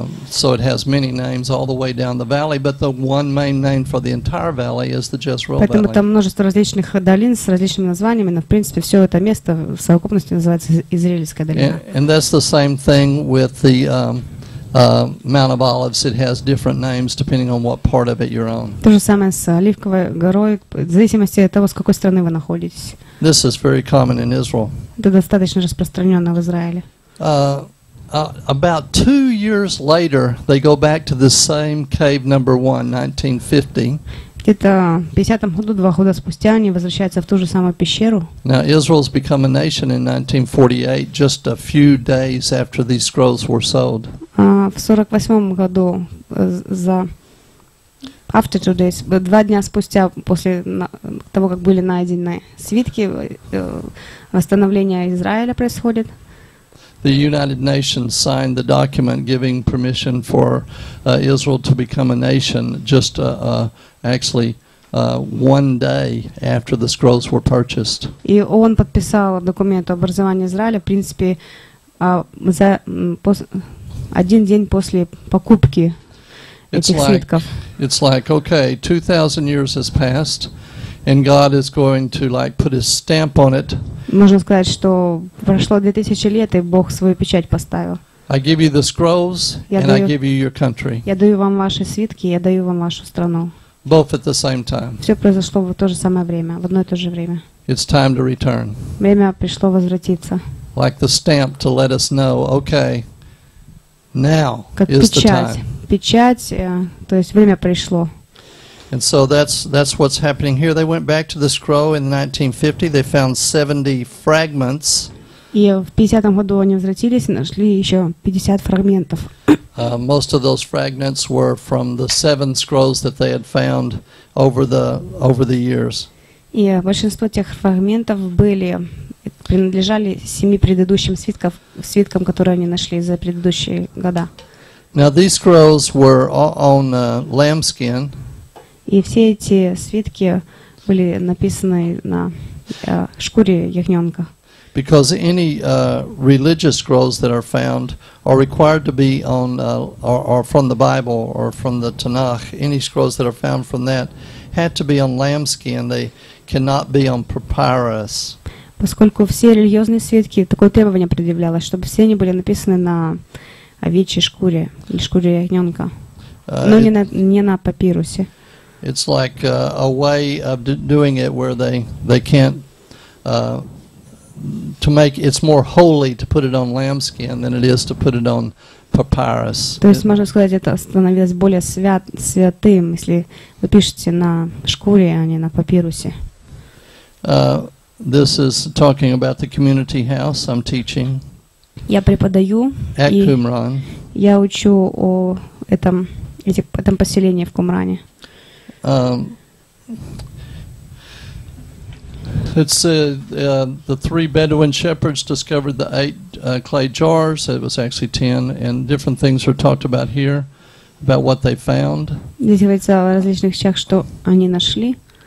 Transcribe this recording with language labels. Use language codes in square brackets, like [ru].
[en] So it has many names all the way down the valley, but the one main name for the entire valley is the Jezreel Valley. [ru] Поэтому там множество различных долин с различными названиями, но в принципе все это место в совокупности называется Израильская долина. [en] And that's the same thing with the Mount of Olives. It has different names depending on what part of it you're on. [ru] То же самое с Оливковой горой, в зависимости от того, с какой стороны вы находитесь. [en] This is very common in Israel. [ru] Это достаточно распространенно в Израиле. [en] About 2 years later, they go back to the same cave number one, 1950. [ru] Где-то в 50-м году, 2 года спустя, они возвращаются в ту же самую пещеру. [en] Now, Israel's become a nation in 1948, just a few days after these scrolls were sold. [ru] В 48-м году, [en] after 2 days, [ru] 2 дня спустя, после того, как были найдены свитки, восстановление Израиля происходит. [en] The United Nations signed the document giving permission for Israel to become a nation just actually 1 day after the scrolls were purchased. [ru] И ООН подписал документ об образовании Израиля, в принципе, за один день после покупки этих свитков. [en] It's like, okay, 2,000 years has passed, and God is going to like put his stamp on it. [ru] Можно сказать, что прошло 2000 лет, и Бог свою печать поставил. [en] I give you the scrolls, and I give you your country. [ru] Я даю вам ваши свитки, я даю вам вашу страну. [en] Both at the same time. [ru] Все произошло в то же самое время, в одно и то же время. [en] It's time to return. [ru] Время пришло возвратиться. [en] Like the stamp to let us know, okay, now is the time. [ru] Как печать, то есть время пришло. [en] And so that's what's happening here. They went back to the scroll in 1950. They found 70 fragments. [ru] И в 50-м году они возвратились и нашли еще 50 фрагментов. [en] Most of those fragments were from the 7 scrolls that they had found over the years. [ru] И большинство тех фрагментов были принадлежали 7 предыдущим свиткам, которые они нашли за предыдущие года. [en] Now these scrolls were on lambskin. [ru] И все эти свитки были написаны на шкуре ягненка. [en] Because any religious scrolls that are found are required to be on or from the Bible or from the Tanakh. Any scrolls that are found from that had to be on lambskin. They cannot be on papyrus. [ru] Поскольку все религиозные свитки такое требование предъявлялось, чтобы все они были написаны на овечьей шкуре или шкуре ягненка, но не на папирусе. [en] It's like a way of doing it where they can't to make it's more holy to put it on lambskin than it is to put it on papyrus. [ru] То есть можно сказать, это становилось более святым, если вы пишете на шкуре, а не на папирусе. [en] This is talking about the community house I'm teaching. [ru] Я преподаю. [en] At Qumran. [ru] Я учу о этом поселении в Кумране. [en] The three Bedouin shepherds discovered the eight clay jars. It was actually 10, and different things are talked about here about what they found. [ru] Здесь говорится о различных вещах, что они нашли.